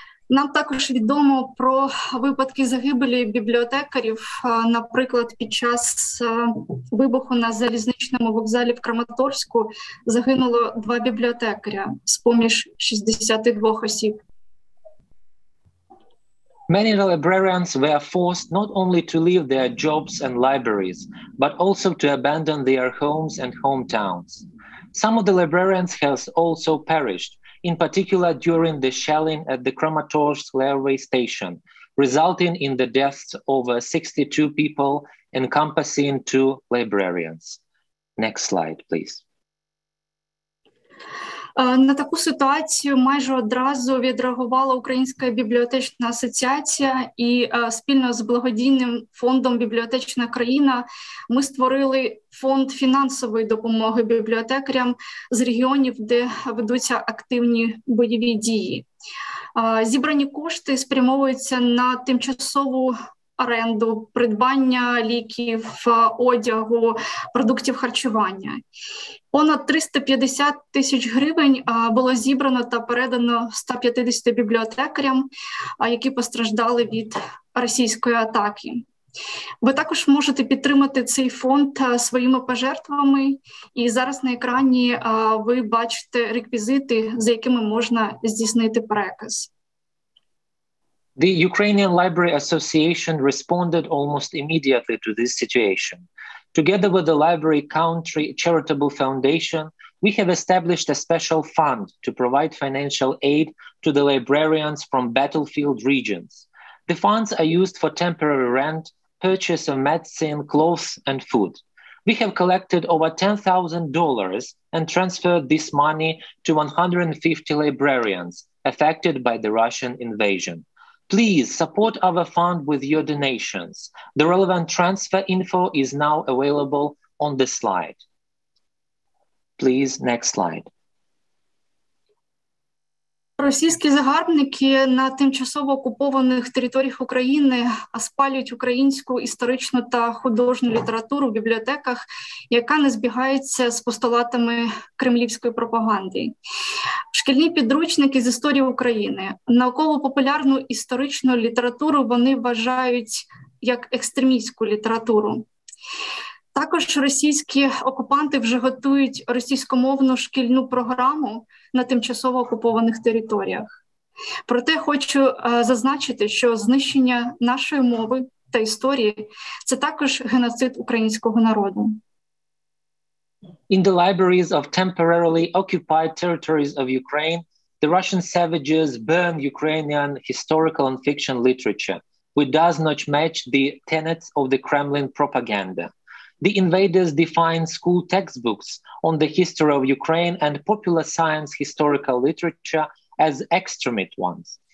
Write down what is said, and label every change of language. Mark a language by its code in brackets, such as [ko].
[uk] Нам також відомо про випадки загибелі бібліотекарів, наприклад, під час вибуху на залізничному вокзалі в Краматорську загинуло два бібліотекаря з-поміж 62 осіб. [en] Many librarians were forced not only to leave their jobs and libraries, but also to abandon their homes and hometowns. Some of the librarians has also perished, in particular during the shelling at the Kramatorsk railway station, resulting in the deaths of 62 people, encompassing two librarians. Next slide, please. [uk] На таку ситуацію майже одразу відреагувала Українська бібліотечна асоціація і спільно з благодійним фондом «Бібліотечна країна» ми створили фонд фінансової допомоги бібліотекарям з регіонів, де ведуться активні бойові дії. Зібрані кошти спрямовуються на тимчасову оренду, придбання ліків, одягу, продуктів харчування. Понад 350 тисяч гривень було зібрано та передано 150 бібліотекарям, які постраждали від російської атаки. Ви також можете підтримати цей фонд своїми пожертвами, і зараз на екрані ви бачите реквізити, за якими можна здійснити переказ. [en] The Ukrainian Library Association responded almost immediately to this situation. Together with the Library Country Charitable Foundation, we have established a special fund to provide financial aid to the librarians from battlefield regions. The funds are used for temporary rent, purchase of medicine, clothes, and food. We have collected over $10,000 and transferred this money to 150 librarians affected by the Russian invasion. Please support our fund with your donations. The relevant transfer info is now available on the slide. Please, next slide. [uk] Російські загарбники на тимчасово окупованих територіях України спалюють українську історичну та художню літературу в бібліотеках, яка не збігається з постулатами кремлівської пропаганди. Шкільні підручники з історії України, науково-популярну історичну літературу вони вважають як екстремістську літературу. Також російські окупанти вже готують російськомовну шкільну програму на тимчасово окупованих територіях. Проте хочу зазначити, що знищення нашої мови та історії – це також геноцид українського народу. [en] In the libraries of temporarily occupied territories of Ukraine, the Russian savages burn Ukrainian historical and fiction literature, which does not match the tenets of the Kremlin propaganda. The invaders define school textbooks on the history of Ukraine and popular science historical literature as extremist ones.